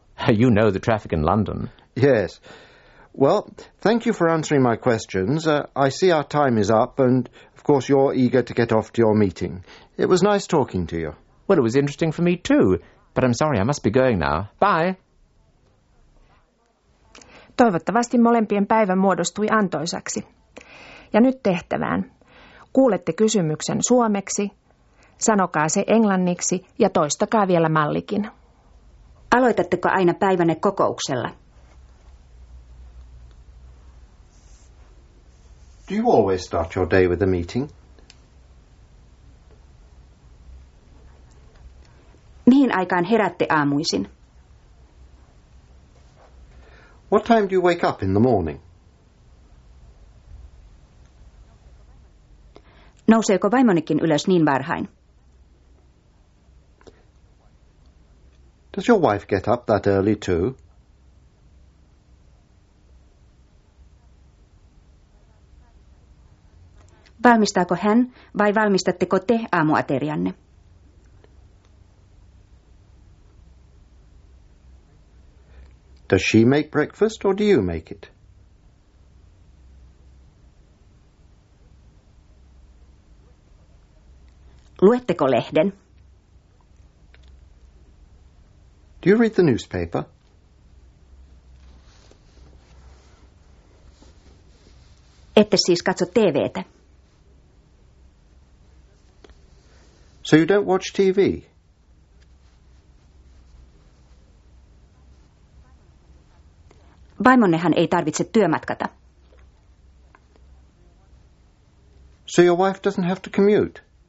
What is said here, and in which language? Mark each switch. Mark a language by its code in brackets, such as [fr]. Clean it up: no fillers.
[en] You know the traffic in London. Yes. Well, thank you for answering my questions. I see our time is up, and, of course, you're eager to get off to your meeting. It was nice talking to you. Well, it was interesting for me, too. But I'm sorry, I must be going now. Bye! [fi] Toivottavasti molempien päivä muodostui antoisaksi. Ja nyt tehtävään. Kuulette kysymyksen suomeksi, sanokaa se englanniksi ja toistakaa vielä mallikin. Aloitatteko aina päivänne kokouksella? [en] Do you always start your day with a meeting? [fi] Mihin aikaan herätte aamuisin? [en] What time do you wake up in the morning? [fi] Nouseeko vaimonikin ylös niin varhain? [en] Does your wife get up that early too? [fi] Valmistaako hän vai valmistatteko te aamuaterianne? [en] Does she make breakfast or do you make it? [fi] Luetteko lehden? [en] Do you read the newspaper? [fi] Ette siis katso TV:tä? [en] So you don't watch TV? [fi] Vaimonnehan ei tarvitse työmatkata. [en] So your wife doesn't have to commute?